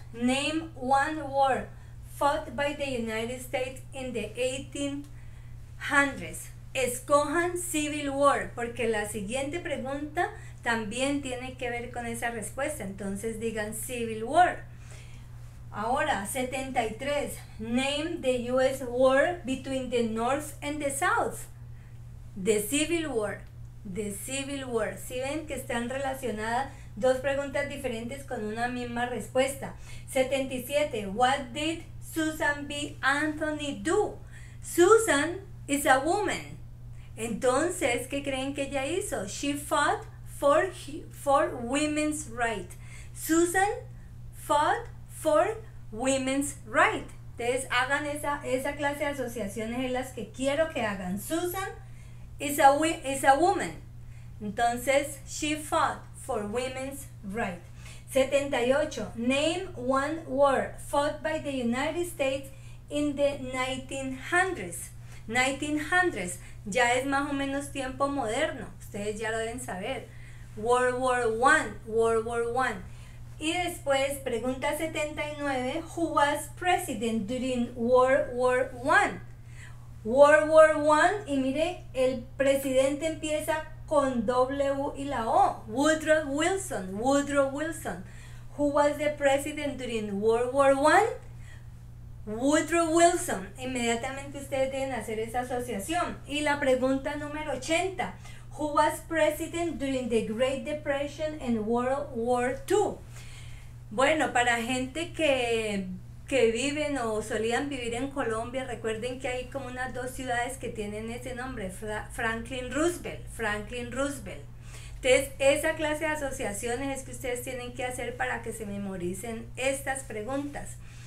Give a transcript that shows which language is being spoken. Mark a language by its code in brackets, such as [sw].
[en] Name one war fought by the United States in the 1800s. [es] Escojan Civil War, porque la siguiente pregunta también tiene que ver con esa respuesta. Entonces digan Civil War. Ahora, 73. [en] Name the US War between the North and the South. The Civil War. The Civil War. [es] Si ¿Sí ven que están relacionadas dos preguntas diferentes con una misma respuesta? [en] 77. What did Susan B. Anthony do? Susan is a woman. [es] Entonces, ¿qué creen que ella hizo? [en] She fought for women's right. Susan fought for women's right. [es] Entonces, hagan esa clase de asociaciones en las que quiero que hagan. [en] Susan is a woman. [es] Entonces, [en] she fought for women's rights. 78, name one war fought by the United States in the 1900s. [es] 1900s, ya es más o menos tiempo moderno, ustedes ya lo deben saber. [en] World War I, World War I. [es] Y después, pregunta [en] 79, who was president during World War I? [es] World War I, y mire, el presidente empieza con W y la O, Woodrow Wilson, Woodrow Wilson. [en] Who was the president during World War I? Woodrow Wilson. [es] Inmediatamente ustedes deben hacer esa asociación. Y la pregunta número 80. [en] Who was president during the Great Depression and World War II? [es] Bueno, para gente que viven o solían vivir en Colombia, recuerden que hay como unas dos ciudades que tienen ese nombre, Franklin Roosevelt, Franklin Roosevelt. Entonces, esa clase de asociaciones es que ustedes tienen que hacer para que se memoricen estas preguntas.